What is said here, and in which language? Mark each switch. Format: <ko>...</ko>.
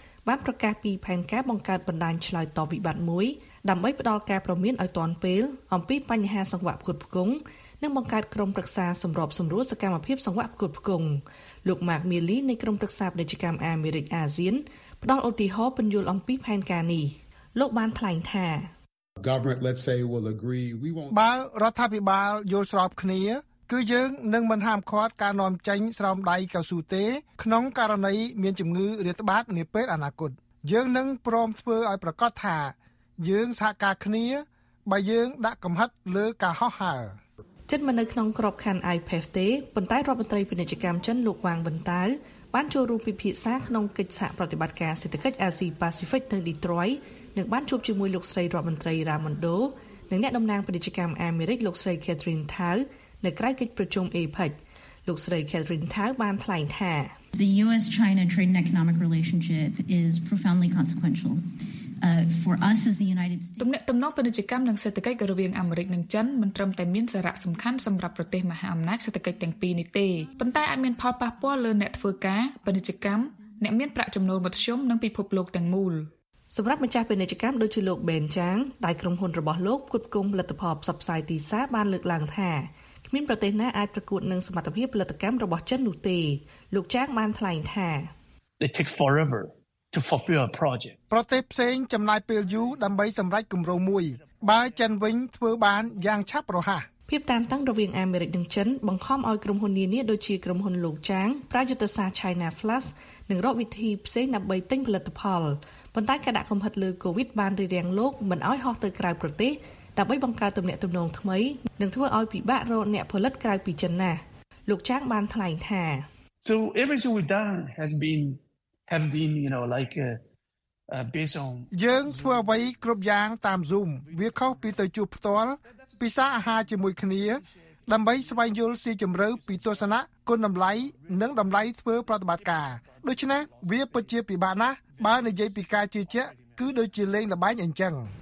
<km>បានប្រកាសពីផែនការបង្កើតបណ្ដាញឆ្លើយតបវិបត្តិមួយដើម្បីផ្តល់ការព្រមានឲ្យទាន់ពេលអំពីបញ្ហាសង្វាក់គ្រប់គ្រងនិងបង្កើតក្រុមប្រឹក្សាសម្របសម្រួលសកម្មភាពសង្វាក់គ្រប់គ្រងលោក Mark Milley នៃក្រុមប្រឹក្សាពាណិជ្ជកម្មអាមេរិកអាស៊ានផ្ដល់ឧទាហរណ៍ពន្យល់អំពីផែនការនេះលោកបានថ្លែងថា</km> <en>Government let's say will agree we won't</en> <km>បើរដ្ឋាភិបាលយល់ស្របគ្នាគឺយើងនឹងមិនហាមឃាត់ការនាំចេញស្រោមដៃកៅស៊ូទេក្នុងករណីមានជំងឺរាតត្បាតនាពេលអនាគតយើងនឹងព្រមធ្វើឲ្យប្រកាសថាយើងសហការគ្នាបើយើងដាក់កំហិតលើការហោះហើរ ចិត្តមកនៅក្នុងក្របខ័ណ្ឌ IPEF ទេប៉ុន្តែរដ្ឋមន្ត្រីពាណិជ្ជកម្មចិនលោកវ៉ាងវិនតៅបានចូលរួមពិភាក្សាក្នុងកិច្ចសហប្រតិបត្តិការសេដ្ឋកិច្ចអាស៊ី Pacific នៅ Detroit នឹងបានជួបជាមួយលោកស្រីរដ្ឋមន្ត្រីរ៉ាម៉ុនដូនិងអ្នកតំណាងពាណិជ្ជកម្មអាមេរិកលោកស្រី Catherine Tai នៅក្រៅកិច្ចប្រជុំ APEC លោកស្រី Catherine Tai បានថ្លែងថា</km> <en>The US-China trade and economic relationship is profoundly consequential for us as the United States</en> <km>ទំនាក់ទំនងពាណិជ្ជកម្មនិងសេដ្ឋកិច្ចរវាងអាមេរិកនិងចិនមិនត្រឹមតែមានសារៈសំខាន់សម្រាប់ប្រទេសមហាអំណាចសេដ្ឋកិច្ចទាំងពីរនេះទេប៉ុន្តែអាចមានផលប៉ះពាល់លើអ្នកធ្វើការពាណិជ្ជកម្មអ្នកមានប្រាក់ចំណូលមធ្យមនិងពិភពលោកទាំងមូលសម្រាប់ម្ចាស់ពាណិជ្ជកម្មដូចជាលោកបេនចាងដែលក្រុមហ៊ុនរបស់លោកគ្រប់គ្រងផលិតផលផ្សព្វផ្សាយទីសាបានលើកឡើងថាគ្មានប្រទេសណាអាចប្រកួតនឹងសមត្ថភាពផលិតកម្មរបស់ចិននោះទេលោកចាងបានថ្លែងថា</km> <en>It took forever to fulfill a project</en> <km>ប្រទេសផ្សេងចំណាយពេលយូរដើម្បីសម្រេចគម្រោងមួយបើចិនវិញធ្វើបានយ៉ាងឆាប់រហ័ស ភាពតានតឹងរវាងអាមេរិកនិងចិនបង្ខំឲ្យក្រុមហ៊ុននានាដូចជាក្រុមហ៊ុនលោកចាងប្រយុទ្ធសាស្ត្រ China Plus និងរកវិធីផ្សេងដើម្បីទិញផលិតផលប៉ុន្តែការដាក់កំហិតលើ COVID បានរារាំងលោកមិនឲ្យហោះទៅក្រៅប្រទេសដើម្បីបង្កើតទំនាក់ទំនងថ្មីនិងធ្វើឲ្យពិបាករកអ្នកផលិតក្រៅពីចិនណាស់លោកចាងបានថ្លែងថា</km> <en>So everything we've done has been you know like a based on</en> <km>យើងធ្វើអ្វីគ្រប់យ៉ាងតាម Zoom វាខុសពីទៅជួបផ្ទាល់ពិសារអាហារជាមួយគ្នាដើម្បីស្វែងយល់ស៊ីជម្រៅពីទស្សនៈគុណតម្លៃនិងតម្លៃធ្វើប្រតិបត្តិការដូច្នេះវាពិតជាពិបាកណាស់បើនិយាយពីការជឿជាក់គឺដូចជាលេងល្បែងអញ្ចឹង</km>